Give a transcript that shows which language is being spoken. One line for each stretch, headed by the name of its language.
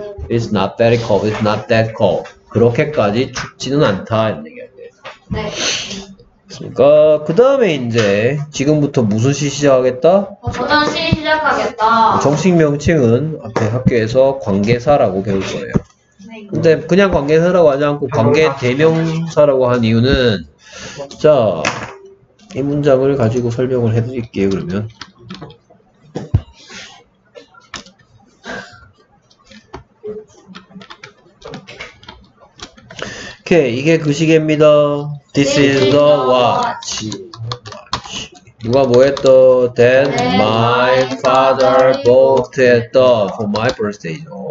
English: It's not very cold, it's not that cold
Korean: 그렇게까지 춥지는 않다 이런 얘기인데. 네. 그러니까 그 다음에 이제 지금부터 무슨 시 시작하겠다? 어떤 시 시작하겠다. 정식 명칭은 앞에 학교에서 관계사라고 배울 거예요. 근데 그냥 관계사라고 하지 않고 관계 대명사라고 한 이유는, 자, 이 문장을 가지고 설명을 해드릴게요. 그러면 오케이, 이게 그 시계입니다.
English: This is the watch.
Korean: 누가 뭐 했더?
English: Then my father bought it for my birthday.